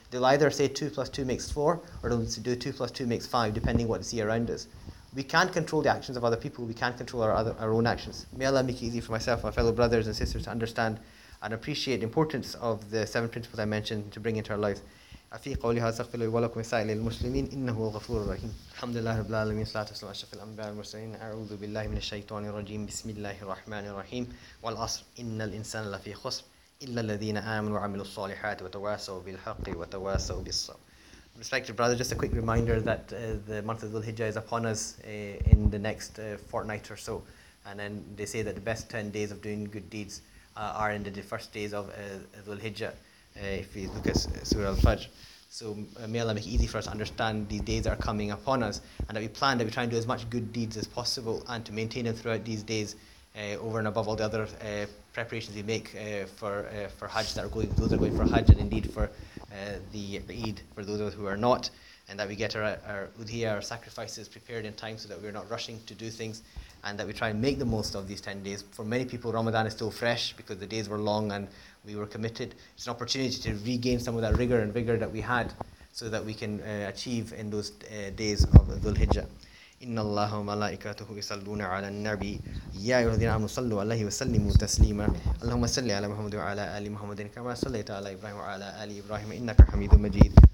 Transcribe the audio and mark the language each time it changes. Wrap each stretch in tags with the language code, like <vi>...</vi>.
<en>They'll either say 2 + 2 = 4, or they'll do 2 + 2 = 5, depending what they see around us. We can't control the actions of other people. We can't control our own actions. May Allah make it easy for myself and my fellow brothers and sisters to understand and appreciate the importance of the seven principles I mentioned to bring into our lives.</en> <ar>أفي قولي هذا سقف لي ولكم سائل المسلمين إنه غفور رحيم الحمد لله رب العالمين صلاة وسلام على شفيع الأنبياء المرسلين أعوذ بالله من الشيطان الرجيم بسم الله الرحمن الرحيم والعصر إن الإنسان لفي خسر إلا الذين آمنوا وعملوا الصالحات وتواصوا بالحق وتواصوا بالصبر.</ar> <en>Respected brother, just a quick reminder that the month of Dhul Hijjah is upon us in the next fortnight or so, and then they say that the best 10 days of doing good deeds are in the first days of Dhul Hijjah. If you look at Surah Al-Fajr, So may Allah make it easy for us to understand these days that are coming upon us, and that we plan that we try and do as much good deeds as possible and to maintain them throughout these days, over and above all the other preparations we make for Hajj, that are going, those are going for Hajj, and indeed for the Eid for those of us who are not, and that we get our udhiyah, our sacrifices, prepared in time so that we're not rushing to do things, and that we try and make the most of these 10 days. For many people, Ramadan is still fresh because the days were long and we were committed. It's an opportunity to regain some of that rigor and vigor that we had so that we can achieve in those days of Dhul-Hijjah.</en> <ar>إن الله وملائكته يصلون على النبي يا أيها الذين آمنوا صلوا عليه وسلموا تسليما اللهم صل على محمد وعلى آل محمد كما صليت على إبراهيم وعلى آل إبراهيم إنك حميد مجيد.</ar>